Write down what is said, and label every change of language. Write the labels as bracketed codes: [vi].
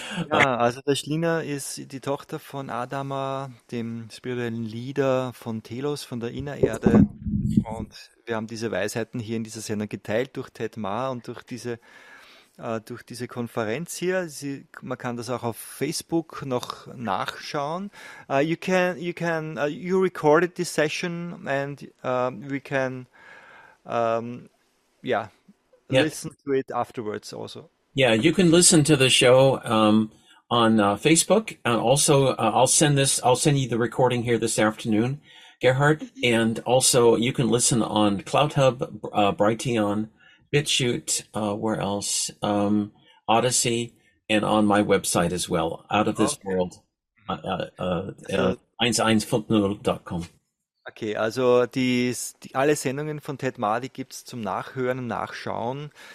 [de] Ja, also Tashlena ist die Tochter von Adama, dem spirituellen Leader von Telos, von der Innererde. Und wir haben diese Weisheiten hier in dieser Sendung geteilt durch Ted Mahr und durch diese Konferenz hier. Man kann das auch auf Facebook noch nachschauen. [en] You recorded this session and we can, yeah. Listen to it afterwards also. Yeah, you can listen to the show on Facebook. Also, I'll send you the recording here this afternoon, Gerhard. And also, you can listen on CloudHub, Brighteon, BitChute, where else? Odyssey, and on my website as well, Out of This World, einsfundnull.com. [de] Okay, also die alle Sendungen von Ted Mahr gibt es zum Nachhören und Nachschauen.